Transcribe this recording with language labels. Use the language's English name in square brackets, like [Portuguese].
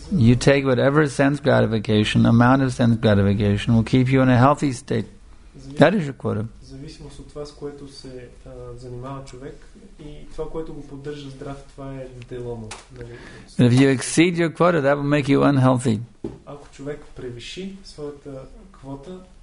[English] You take whatever sense gratification, amount of sense gratification will keep you in a healthy state. That is your quota. [Bulgarian] Зависимост от това, с което се занимава човек и това, което го поддържа здрав, това е дело му. [English] And if you exceed your quota, that will make you unhealthy. [Bulgarian] Ако човек превиши своята квота,